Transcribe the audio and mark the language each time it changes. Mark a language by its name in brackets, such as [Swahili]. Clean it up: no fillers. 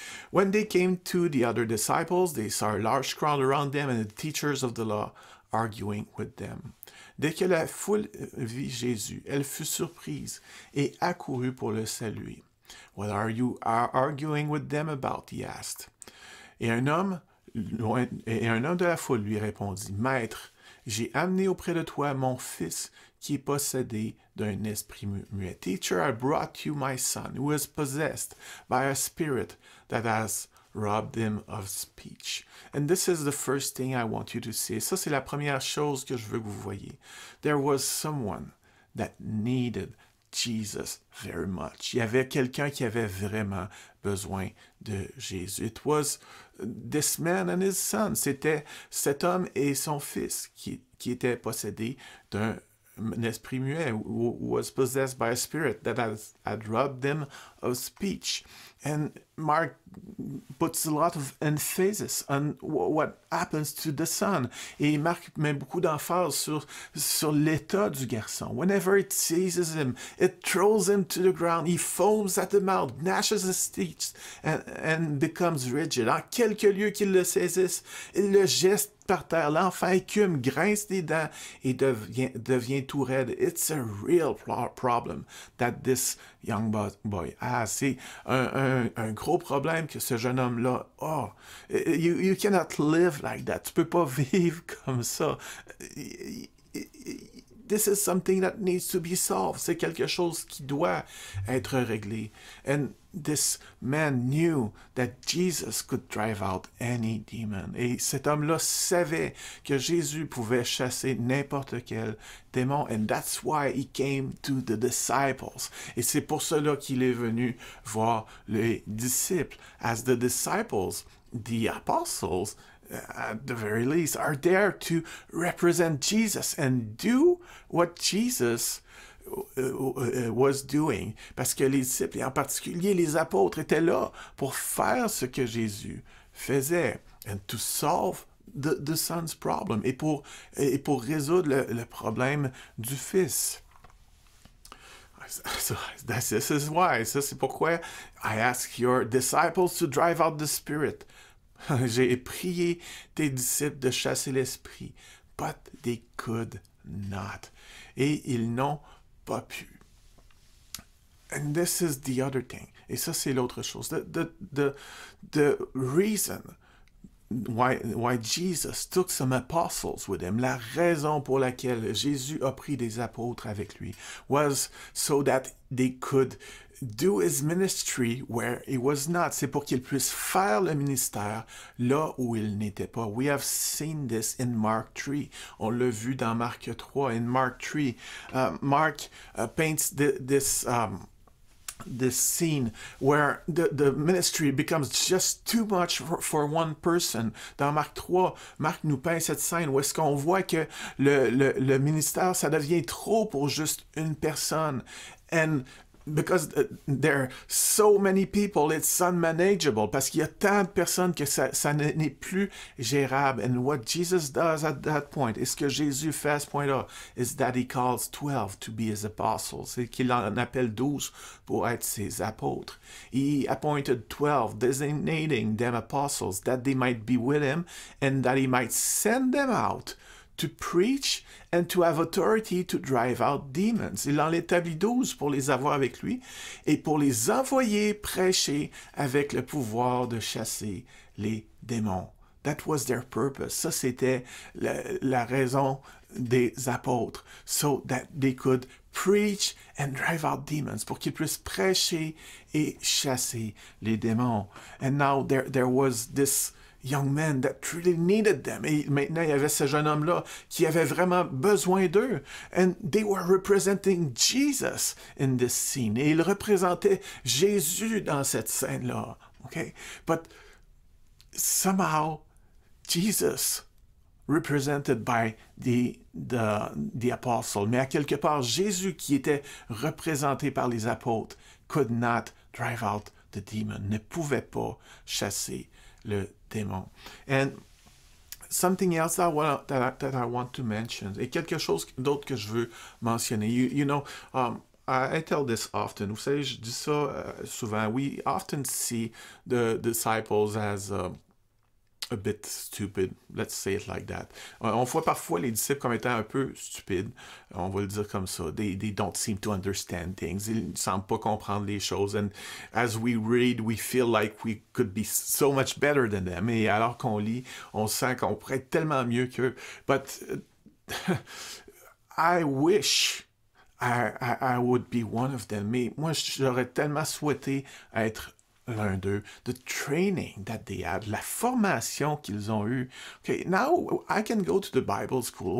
[English] When they came to the other disciples, they saw a large crowd around them and the teachers of the law arguing with them. [French] Dès que la foule vit Jésus, elle fut surprise et accourut pour le saluer. [English] What are you arguing with them about? He asked. [French] Et un homme de la foule lui répondit, Maître, j'ai amené auprès de toi mon fils qui est possédé d'un esprit muet. [English] Teacher, I brought you my son, who is possessed by a spirit that has robbed him of speech. And this is the first thing I want you to see. [French] Ça, c'est la première chose que je veux que vous voyez. [English] There was someone that needed Jesus very much. [French] Il y avait quelqu'un qui avait vraiment besoin de Jésus. [English] It was this man and his son. [French] C'était cet homme et son fils qui étaient possédés d'un esprit muet, [English] was possessed by a spirit that had robbed them of speech. And Mark puts a lot of emphasis on what happens to the son. [French] Et Mark met beaucoup d'emphase sur l'état du garçon. [English] Whenever it seizes him, it throws him to the ground. He foams at the mouth, gnashes his teeth, and becomes rigid. [French] En quelque lieu qu'il le saisisse, il le jette par terre. L'enfant écume, grince des dents et devient tout raide. [English] It's a real problem that this young boy has. [French] C'est un gros problème que ce jeune homme-là a. [English] You cannot live like that. [French] Tu peux pas vivre comme ça. [English] This is something that needs to be solved. [French] C'est quelque chose qui doit être réglé. [English] And this man knew that Jesus could drive out any demon. [French] Et cet homme-là savait que Jésus pouvait chasser n'importe quel démon. [English] And that's why he came to the disciples. [French] Et c'est pour cela qu'il est venu voir les disciples. [English] As the disciples, the apostles, at the very least, are there to represent Jesus and do what Jesus was doing. [French] Parce que les disciples, et en particulier les apôtres, étaient là pour faire ce que Jésus faisait, [English] and to solve the son's problem, [French] et pour résoudre le problème du fils. [English] So this is why. [French] Ça, c'est pourquoi [English] I ask your disciples to drive out the spirit. [French] J'ai prié tes disciples de chasser l'esprit, [English] but they could not. [French] Et ils n'ont pas pu. [English] And this is the other thing. [French] Et ça, c'est l'autre chose. [English] The reason why Jesus took some apostles with him, [French] la raison pour laquelle Jésus a pris des apôtres avec lui, [English] was so that they could do his ministry where he was not. [French] C'est pour qu'il puisse faire le ministère là où il n'était pas. [English] We have seen this in Mark 3. [French] On l'a vu dans Marc 3. [English] In Mark 3, Mark paints this scene where the ministry becomes just too much for one person. [French] Dans Marc 3, Marc nous peint cette scène où est-ce qu'on voit que le ministère, ça devient trop pour juste une personne. [English] And because there are so many people, it's unmanageable. [French] Parce qu'il y a tant de personnes que ça n'est plus gérable. [English] And what Jesus does at that point, [French] et ce que Jésus fait à ce point-là, [English] is that he calls 12 to be his apostles. [French] C'est qu'il en appelle 12 pour être ses apôtres. [English] He appointed 12, designating them apostles, that they might be with him, and that he might send them out to preach and to have authority to drive out demons. [French] Il en établit 12 pour les avoir avec lui et pour les envoyer prêcher avec le pouvoir de chasser les démons. [English] That was their purpose. [French] Ça, c'était la raison des apôtres. [English] So that they could preach and drive out demons. [French] Pour qu'ils puissent prêcher et chasser les démons. [English] And now there was this young man that truly needed them. [French] Et maintenant, il y avait ce jeune homme-là qui avait vraiment besoin d'eux. [English] And they were representing Jesus in this scene. [French] Et ils représentaient Jésus dans cette scène-là. [English] Okay? But somehow, Jesus represented by the apostles. [French] Mais à quelque part, Jésus qui était représenté par les apôtres [English] could not drive out the demon, [French] ne pouvait pas chasser le démon. [English] And something else that I want to mention, [French] et quelque chose d'autre que je veux mentionner. [English] You know, I tell this often. [French] Vous savez, je dis ça souvent. [English] We often see the disciples as a bit stupid, let's say it like that. [French] On voit parfois les disciples comme étant un peu stupides, on va le dire comme ça. [English] They don't seem to understand things. [French] Ils ne semblent pas comprendre les choses. [English] And as we read, we feel like we could be so much better than them. [French] Et alors qu'on lit, on sent qu'on pourrait être tellement mieux qu'eux. [English] But I wish I would be one of them. [French] Mais moi, j'aurais tellement souhaité être l'un d'eux, [English] the training that they had, [French] la formation qu'ils ont eue. [English] Okay, now I can go to the Bible school.